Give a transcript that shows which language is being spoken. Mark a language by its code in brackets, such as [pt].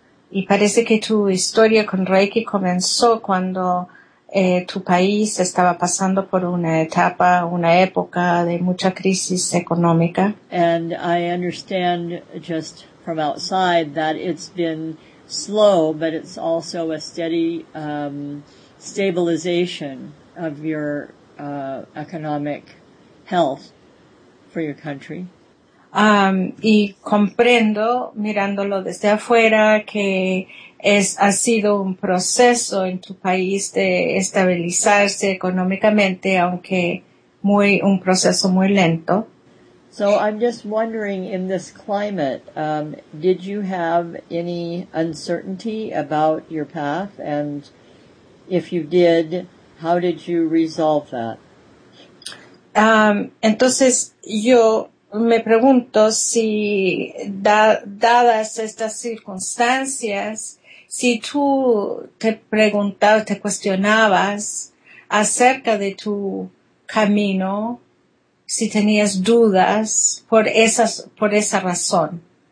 [es] Y parece que tu historia con Reiki comenzó cuando tu país estaba pasando por una época de mucha crisis económica. [en] And I understand just from outside that it's been slow, but it's also a steady stabilization of your economic health for your country. [es] Y comprendo, mirándolo desde afuera, que ha sido un proceso en tu país de estabilizarse económicamente, aunque un proceso muy lento. [en] So I'm just wondering, in this climate, did you have any uncertainty about your path? And if you did, how did you resolve that? [es] Entonces, yo me pregunto si, dadas estas circunstancias, si tú te preguntabas, te cuestionabas acerca de tu camino, si tenías dudas por esa razón.